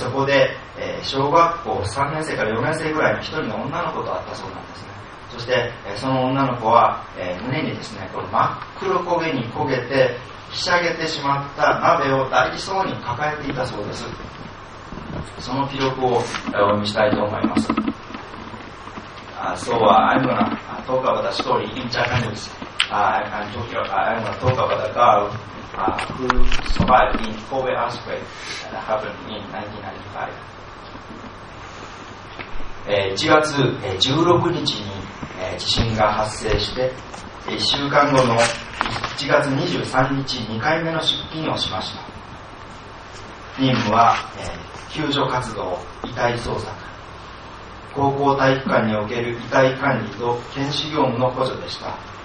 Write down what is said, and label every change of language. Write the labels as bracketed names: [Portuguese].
[Japanese] そこで、小学校3年生から4年生ぐらいの一人の女の子と会ったそうなんですね。そして、その女の子は、胸にですね、この真っ黒焦げに焦げてひしゃげてしまった鍋を大そうに抱えていたそうです。その記録をお見せしたいと思います。 [English] So I'm gonna talk about a story in Japanese. I'm gonna talk about a girl who survived in Kobe earthquake that happened in 1995. [Japanese] 1月16日に地震が発生して、1週間後の1月23日2回目の出勤をしました。任務は、救助活動、遺体捜索、高校体育館における遺体管理と検視業務の補助でした。